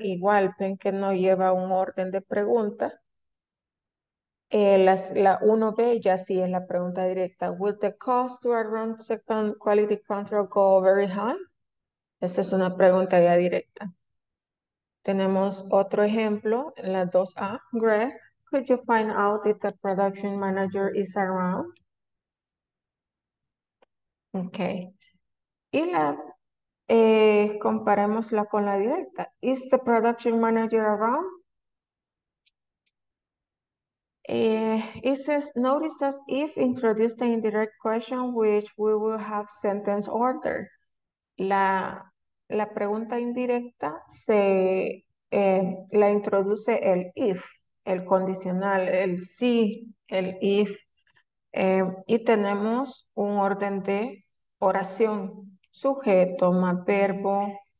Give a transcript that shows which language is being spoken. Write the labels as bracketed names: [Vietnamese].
[Spanish] Igual, ven que no lleva un orden de pregunta. La 1B ya sí es la pregunta directa. [English] Will the cost to run second quality control go very high? [Spanish] Esa es una pregunta ya directa. Tenemos otro ejemplo, en la 2A, Greg. [English] Could you find out if the production manager is around? [Spanish] Okay. Y la, comparemosla con la directa. [English] Is the production manager around? It says, notice that if introduced an indirect question, which we will have sentence order. [Spanish] La pregunta indirecta se la introduce el if, el condicional, el si, el if. Y tenemos un orden de oración, sujeto más verbo.